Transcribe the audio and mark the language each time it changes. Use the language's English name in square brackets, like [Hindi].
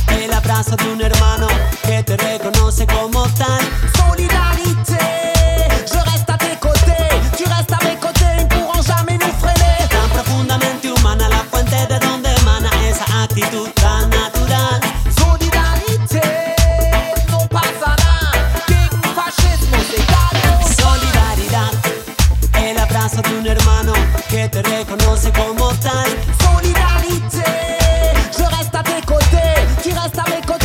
[Spanish] Abrazo de un hermano que te reconoce como tal. [French] Solidarité, je reste à tes côtés, tu restes à mes côtés, ils ne pourront jamais nous freiner. [Spanish] Tan profundamente humana, la fuente de donde emana esa actitud tan natural. Solidarité, no pasará, que un fascismo se calme. Solidaridad, el abrazo de un hermano que te reconoce como tal. [French] Solidarité, je reste à tes côtés, tu restes à mes.